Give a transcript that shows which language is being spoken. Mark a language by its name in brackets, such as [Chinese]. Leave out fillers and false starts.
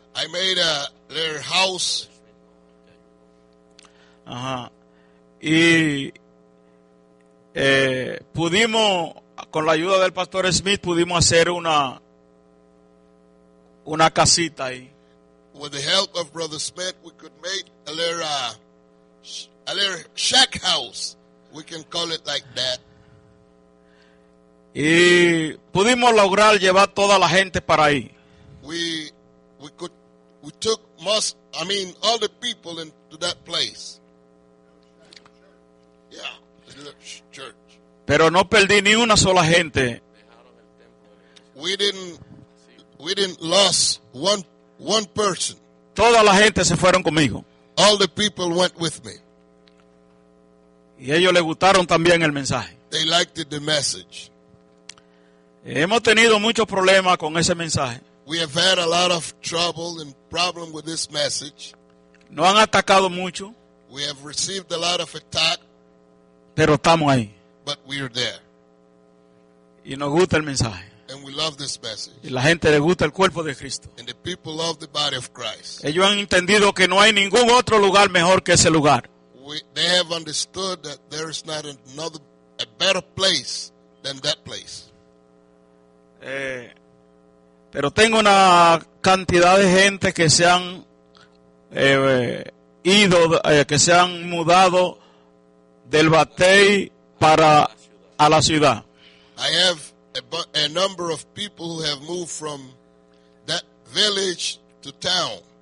[English] I made a little house. Ajá. [Spanish] Y pudimos, con la ayuda del pastor Smith, pudimos hacer una casita ahí. [English] With the help of Brother Smith, we could make a little shack house. We can call it like that. [Spanish] Y pudimos lograr llevar toda la gente para ahí. [English] We took all the people into that place. Yeah, church. [Spanish] Pero no perdí ni una sola gente. [English] We didn't lose one person. [Spanish] Toda la gente se fueron conmigo. [English] All the people went with me. [Spanish] Y ellos les gustaron también el mensaje. [English] They liked the message. [Spanish] Hemos tenido muchos problemas con ese mensaje. [English] We have had a lot of trouble and problem with this message. [Spanish] Nos han atacado mucho. [English] We have received a lot of attack. [Spanish] Pero estamos ahí. [English] But we are there. [Spanish] Y nos gusta el mensaje. [English] And we love this message. [Spanish] Y la gente le gusta el cuerpo de Cristo. [English] And the people love the body of Christ. [Spanish] Ellos han entendido que no hay ningún otro lugar mejor que ese lugar. [English] They have understood that there is not another, a better place than that place. [Spanish] Pero tengo una cantidad de gente que se han ido, que se han mudado del Batey para a la ciudad. [English] I have a number of people who have moved from that village to town.